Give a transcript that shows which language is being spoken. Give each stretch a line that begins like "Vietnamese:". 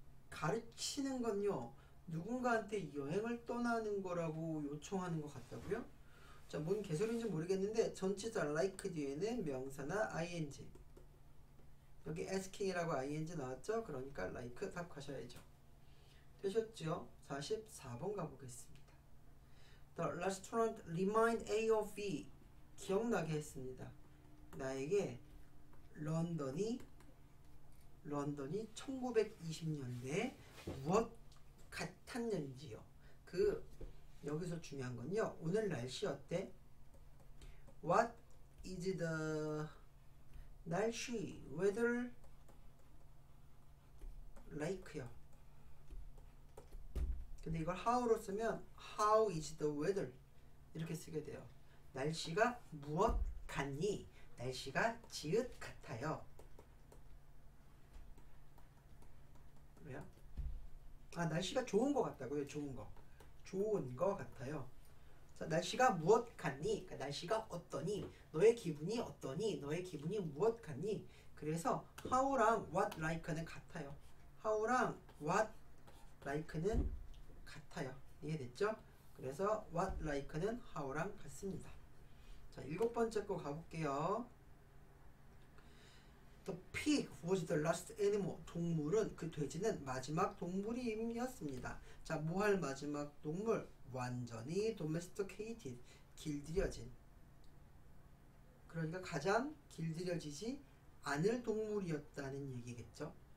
Korean: 가르치는 건요, 누군가한테 여행을 떠나는 거라고 요청하는 것 같다고요? 자, 뭔 개소리인지 모르겠는데, 전치사 like 뒤에는 명사나 ing. 여기 asking이라고 ing 나왔죠? 그러니까 like 답하셔야죠. 되셨죠? 44번 가보겠습니다.
English: The restaurant remind A of B.
Korean: 기억나게 했습니다. 나에게 런던이 1920년대 무엇 같았는지요. 여기서 중요한 건요. 오늘 날씨 어때?
English: What is the 날씨? Weather like요.
Korean: 근데 이걸 how로 쓰면
English: how is the weather?
Korean: 이렇게 쓰게 돼요. 날씨가 무엇 같니? 날씨가 지읒 같아요. 왜요? 아, 날씨가 좋은 거 같다고요. 좋은 거. 좋은 거 같아요. 자, 날씨가 무엇 같니? 그러니까 날씨가 어떠니? 너의 기분이 어떠니? 너의 기분이 무엇 같니? 그래서 how랑 what like는 같아요. how랑 what like는 같아요. 이해됐죠? 그래서 what like는 how랑 같습니다. 자, 일곱 번째 거 가볼게요.
English: The pig was the last animal.
Korean: 동물은 그 돼지는 마지막 동물임이었습니다. 자, 뭐할 마지막 동물? 완전히 domesticated, 길들여진. 그러니까 가장 길들여지지 않을 동물이었다는 얘기겠죠?